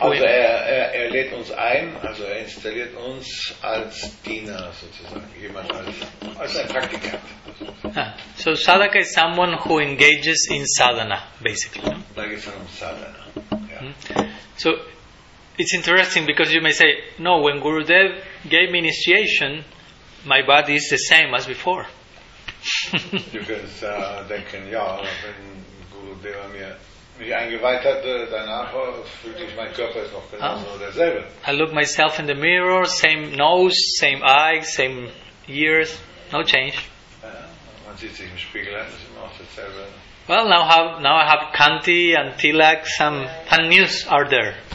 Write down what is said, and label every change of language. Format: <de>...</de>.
<de>Also er lädt uns ein, also er installiert uns als Diener sozusagen, jemand als ein Praktikant.</de> <en>So sadaka is someone who engages in sadhana, basically. No?</en> <de>Da geht's um sadhana.</de> <en>So it's interesting because you may say, no, when Gurudev gave me initiation, my body is the same as before. You can</en> <de>denken, ja, wenn Gurudev mich eingeweiht hat, danach fühlte ich mein Körper ist noch genau derselbe.</de> <en>I look myself in the mirror, same nose, same eyes, same ears, no change.</en> <de>Ja, man sieht sich im Spiegel an, ist immer noch dasselbe.</de> <en>Well, now I have Kanti and Tilak, some fun news are there.</en>